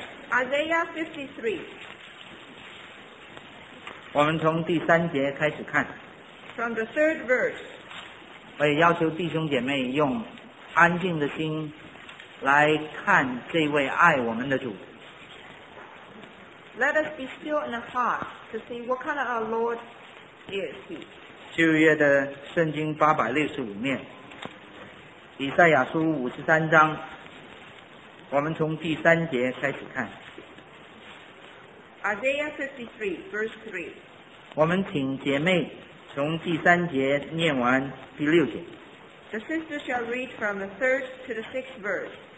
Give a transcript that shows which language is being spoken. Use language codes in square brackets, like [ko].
[en] Isaiah 53. [zh] 我们从第三节开始看。 [en] From the third verse. [zh] 我也要求弟兄姐妹用安静的心来看这位爱我们的主。 [en] Let us be still in the heart to see what kind of our Lord is he. [zh] 旧约的圣经八百六十五面，以赛亚书五十三章，我们从第三节开始看。 [en] Isaiah 53, verse 3. [zh] 我们请姐妹从第三节念完第六节。 [en] The sister shall read from the third to the sixth verse.